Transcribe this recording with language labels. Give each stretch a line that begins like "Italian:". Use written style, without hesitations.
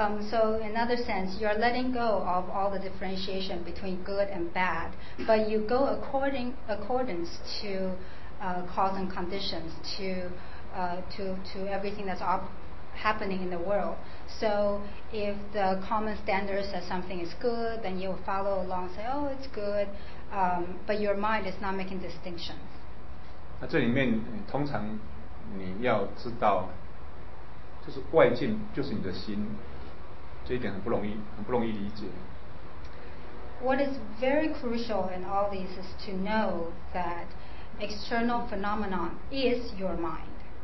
English: So in other sense, you are letting go of all the differentiation between good and bad, but you go accordance to cause and conditions, to everything that's happening in the world. So if the common standard says something is good, then you will follow along and say, oh, it's good, but your mind is not making distinctions.
Chinese: 那这里面通常你要知道就是外境就是你的心，这一点很不容易，很不容易理解。
English: What is very crucial in all this is to know that external phenomenon is your mind.